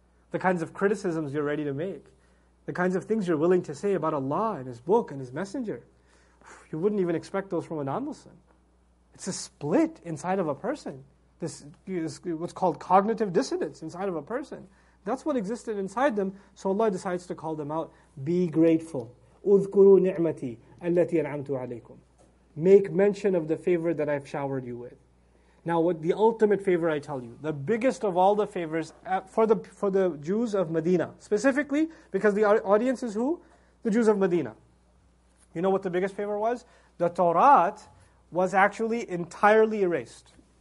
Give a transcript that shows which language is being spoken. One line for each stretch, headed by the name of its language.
English: The kinds of criticisms you're ready to make, the kinds of things you're willing to say about Allah and His book and His messenger, you wouldn't even expect those from a non-Muslim. It's a split inside of a person. This is what's called cognitive dissonance inside of a person. That's what existed inside them. So Allah decides to call them out. Be grateful.
Arabic: اذكروا نعمتي التي أنعمت عليكم.
English: Make mention of the favor that I've showered you with. Now, what the ultimate favor, I tell you, the biggest of all the favors for the Jews of Medina, specifically because the audience is who? The Jews of Medina. You know what the biggest favor was? The Torah was actually entirely erased.